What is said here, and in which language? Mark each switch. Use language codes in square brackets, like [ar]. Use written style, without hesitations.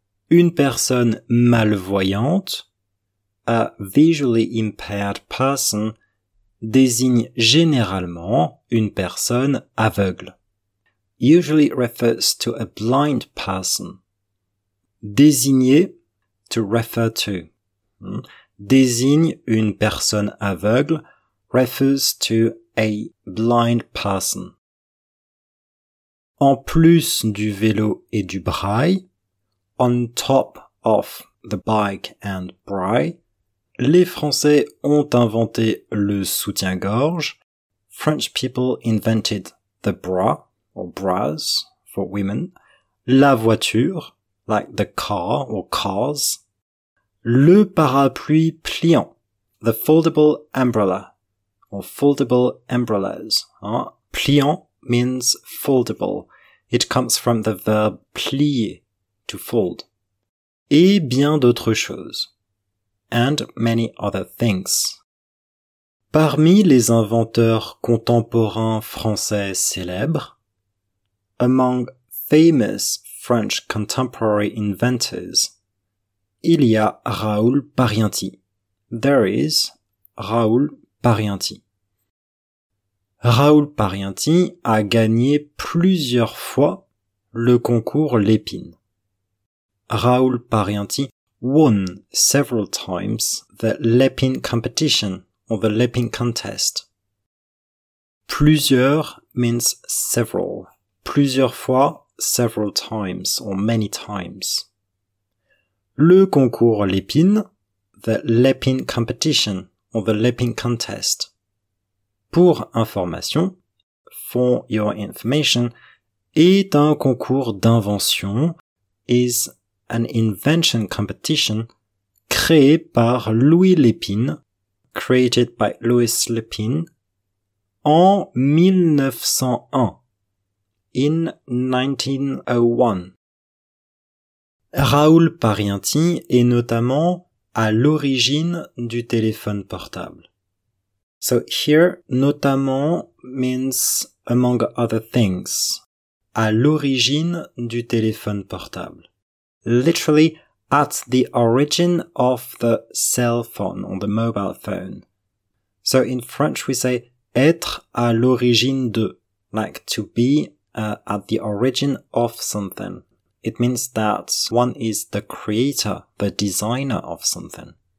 [fr] Une personne malvoyante, [en] a visually impaired person, [fr] désigne généralement une personne aveugle. [en] Usually refers to a blind person. Désigner, to refer to. [fr] Désigne une personne aveugle, [en] refers to a blind person. [fr] En plus du vélo et du braille, [en] on top of the bike and braille, [fr] les Français ont inventé le soutien-gorge. [en] French people invented the bra or bras for women. [fr] La voiture, [en] like the car or cars. [fr] Le parapluie pliant, [en] the foldable umbrella or foldable umbrellas. Hein? Pliant means foldable. It comes from the verb plier, to fold. [fr] Et bien d'autres choses. [en] And many other things. [fr] Parmi les inventeurs contemporains français célèbres, [en] among famous French contemporary inventors, [fr] il y a Raoul Parianti. [en] There is Raoul Parianti. [fr] Raoul Parianti a gagné plusieurs fois le concours Lépine. [en] Raoul Parianti won several times the Lépine competition or the Lépine contest. Plusieurs means several. [fr] Plusieurs fois, [en] several times or many times. [fr] Le concours Lépine, [en] the Lépine competition or the Lépine contest. [fr] Pour information, [en] for your information, [fr] est un concours d'invention, [en] is an invention competition, [fr] créé par Louis Lépine, [en] created by Louis Lépine, [fr] en 1901, [en] in 1901. [fr] Raoul Parianti est notamment à l'origine du téléphone portable. [en] So here, notamment means among other things. [fr] À l'origine du téléphone portable. [en] Literally, at the origin of the cell phone, or the mobile phone. So in French we say, [fr] être à l'origine de, [en] like to be at the origin of something. It means that one is the creator, the designer of something.